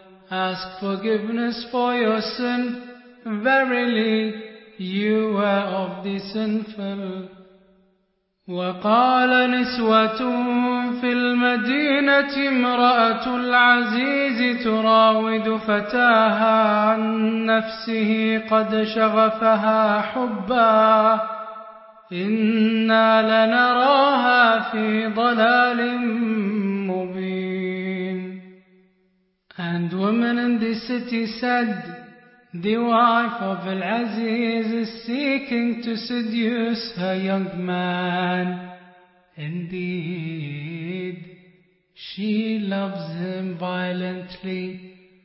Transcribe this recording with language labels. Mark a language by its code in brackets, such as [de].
[en] Ask forgiveness for your sin. Verily, you were of the sinful. [ar] وقال نسوة في المدينة امرأة العزيز تراود فتاها عن نفسه قد شغفها حبا إنا لنراها في ضلال مبين. [en] And women in the city said, the wife of Al-Aziz is seeking to seduce her young man. Indeed, she loves him violently.